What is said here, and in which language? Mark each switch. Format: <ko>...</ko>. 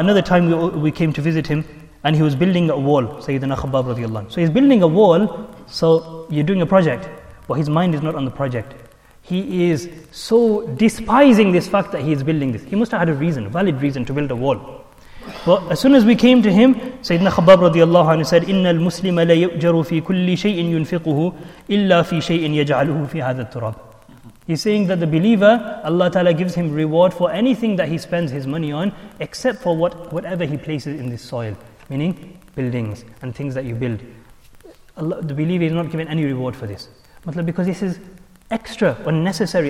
<en>Another time we came to visit him, and he was building a wall, Sayyidina Khabbab radiallahu anhu. So he's building a wall, so you're doing a project, but his mind is not on the project. He is so despising this fact that he is building this. He must have had a reason, valid reason to build a wall. But as soon as we came to him, Sayyidina Khabbab radiallahu anhu said,</en> <ar>إِنَّ الْمُسْلِمَ لَيُؤْجَرُ فِي كُلِّ شَيْءٍ يُنْفِقُهُ إِلَّا فِي شَيْءٍ يَجْعَلُهُ فِي هَذَا التُّرَابِ.</ar> <en>He's saying that the believer, Allah Ta'ala gives him reward for anything that he spends his money on, except for whatever he places in this soil, meaning buildings and things that you build. Allah, the believer is not given any reward for this. Because this is extra, unnecessary.</en>